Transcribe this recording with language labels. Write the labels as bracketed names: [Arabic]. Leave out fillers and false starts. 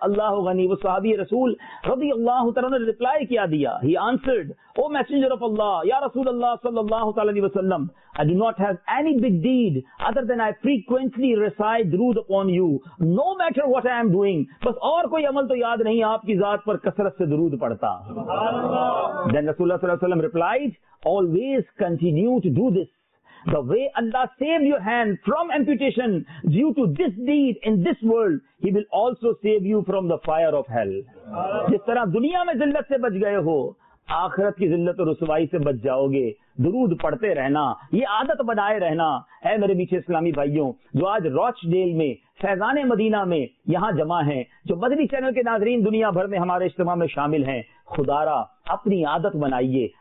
[Urdu] اللہ غنی, وہ صحابی رسول رضی اللہ تعالیٰ نے ریپلائی کیا دیا, [English] He answered, O messenger of اللہ, یا رسول اللہ صلی اللہ تعالی وسلم, I do not have any big deed other than I frequently recite درود upon you. No matter what I am doing, [Urdu] بس اور کوئی عمل تو یاد نہیں آپ کی ذات پر کثرت سے درود پڑھتا. [English] Then Rasulullah صلی اللہ علیہ وسلم replied, always continue to do this. The way Allah saved your hand from amputation due to this deed in this world, He will also save you from the fire of hell. [Urdu] جس طرح دنیا میں ذلت سے بچ گئے ہو, آخرت کی ذلت اور رسوائی سے بچ جاؤ گے. درود پڑھتے رہنا, یہ عادت بنائے رہنا. اے میرے میٹھے اسلامی بھائیوں, جو آج روچ ڈیل میں, فیضان مدینہ میں یہاں جمع ہیں, جو مدنی چینل کے ناظرین دنیا بھر میں ہمارے اجتماع میں شامل ہیں, خدا را اپنی عادت بنائیے.